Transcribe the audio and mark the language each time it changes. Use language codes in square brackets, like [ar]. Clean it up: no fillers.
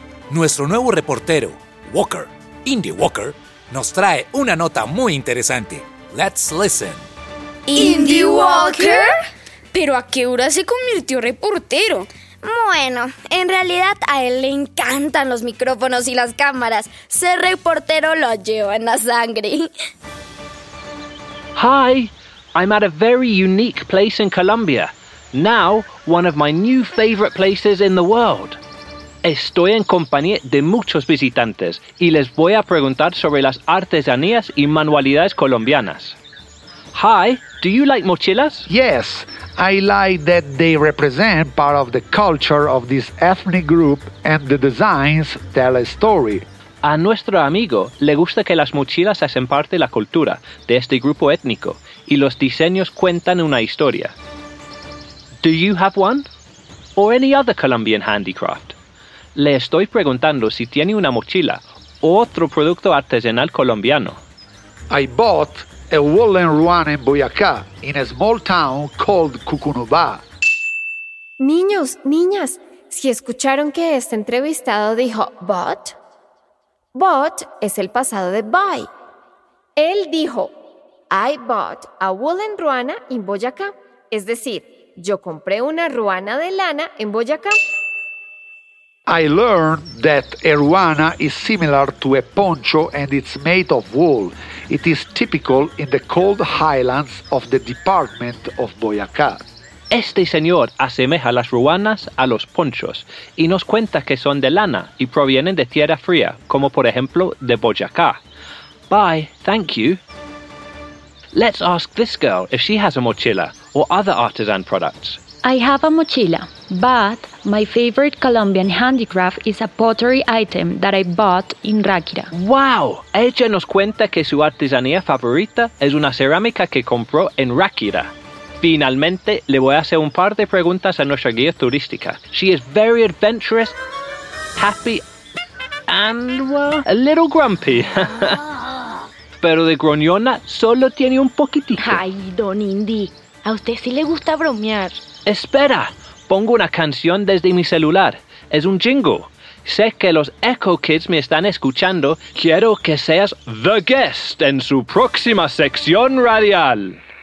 [es] Nuestro nuevo reportero, Walker, Indy Walker, nos trae una nota muy interesante. [en] Let's listen. [es] ¿Indy Walker? ¿Pero a qué hora se convirtió reportero? Bueno, en realidad a él le encantan los micrófonos y las cámaras. Ser reportero lo lleva en la sangre. [en] Hi, I'm at a very unique place in Colombia. Now, one of my new favorite places in the world. [es] Estoy en compañía de muchos visitantes y les voy a preguntar sobre las artesanías y manualidades colombianas. [en] Hi, do you like mochilas? Yes, I like that they represent part of the culture of this ethnic group and the designs tell a story. [es] A nuestro amigo le gusta que las mochilas hacen parte de la cultura de este grupo étnico y los diseños cuentan una historia. [en] Do you have one? Or any other Colombian handicraft? [es] Le estoy preguntando si tiene una mochila o otro producto artesanal colombiano. [en] I bought a woolen ruana en Boyacá, in a small town called Cucunubá. [es] Niños, niñas, si escucharon que este entrevistado dijo bought, bought es el pasado de buy. Él dijo, [en] I bought a woolen ruana in Boyacá. [es] Es decir, yo compré una ruana de lana en Boyacá. [en] I learned that Eruana is similar to a poncho and it's made of wool. It is typical in the cold highlands of the department of Boyacá. [es] Este señor asemeja las ruanas a los ponchos y nos cuenta que son de lana y provienen de tierra fría, como por ejemplo de Boyacá. [en] Bye, thank you. Let's ask this girl if she has a mochila or other artisan products. I have a mochila, but my favorite Colombian handicraft is a pottery item that I bought in Ráquira. Wow! [es] Ella nos cuenta que su artesanía favorita es una cerámica que compró en Ráquira. Finalmente, le voy a hacer un par de preguntas a nuestra guía turística. [en] She is very adventurous, happy, and, well, a little grumpy. [es] Pero de gruñona solo tiene un poquitito. Ay, don Indy, a usted sí le gusta bromear. Espera, pongo una canción desde mi celular. Es un jingle. Sé que los Echo Kids me están escuchando. Quiero que seas [en] the guest [es] en su próxima sección radial.